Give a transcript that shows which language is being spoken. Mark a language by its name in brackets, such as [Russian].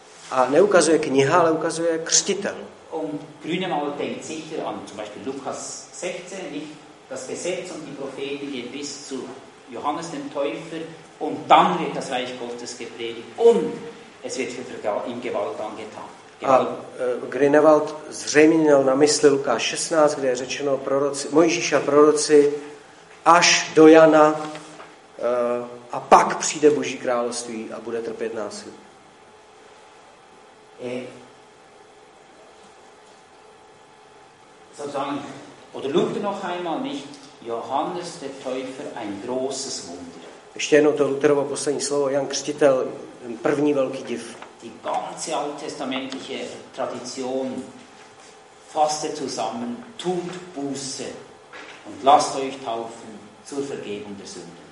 [Czech] A neukazuje kniha, ale ukazuje křtitel. [German] Und Grünewald denkt sicher an zum Beispiel Lukas 16, nicht das Gesetz und die Propheten gehen bis zu Johannes dem Täufer und dann wird das Reich Gottes gepredigt und es wird für ihn Gewalt angetan. [Czech] A Grünewald zřejmě měl na mysli Lukáš 16, kde je řečeno proroci, Mojžíš a proroci až do Jana a pak přijde Boží království a bude trpět násilí. [German] Sozusagen, oder Luther noch einmal nicht, Johannes der Täufer, ein großes Wunder. [Czech] Ještě jednou to Lutherovo poslední slovo, Jan Křtitel, první velký div. [German] Die ganze alttestamentliche Tradition fasste zusammen, tut Buße und lasst euch taufen zur Vergebung der Sünde.